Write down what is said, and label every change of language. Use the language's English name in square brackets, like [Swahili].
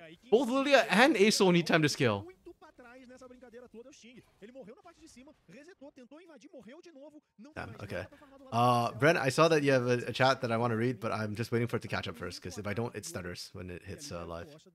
[English] Both Lilia and Aesol need time to scale. [Portuguese] explode o Sting. Ele morreu na parte de cima, resetou, tentou invadir, morreu de novo. Não tem mais. Okay. [English] Brent, I saw that you have a chat that I want to read, but I'm just waiting for it to catch up first, because if I don't, it stutters when it hits live.